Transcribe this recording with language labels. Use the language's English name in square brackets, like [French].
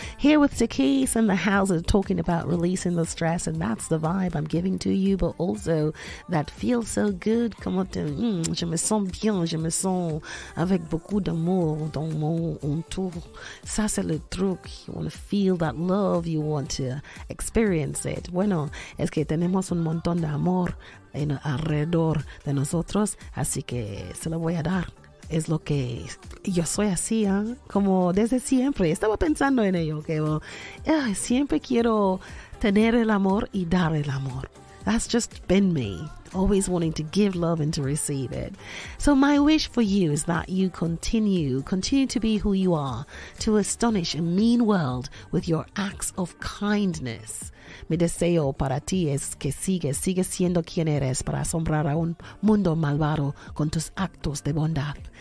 [English] Here with Takeyce and the house are talking about releasing the stress, and that's the vibe I'm giving to you, but also that feels so good. [French] Comment je me sens bien, je me sens avec beaucoup d'amour dans mon entour. Ça, c'est le truc. [English] You want to feel that love, you want to experience it. [Spanish] Bueno, es que tenemos un montón de amor en alrededor de nosotros, así que se lo voy a dar. Es lo que yo soy así, ¿eh? Como desde siempre estaba pensando en ello, que siempre quiero tener el amor y dar el amor. [English] That's just been me, always wanting to give love and to receive it. So my wish for you is that you continue to be who you are, to astonish a mean world with your acts of kindness. [Spanish] Mi deseo para ti es que sigues siendo quien eres para asombrar a un mundo malvado con tus actos de bondad.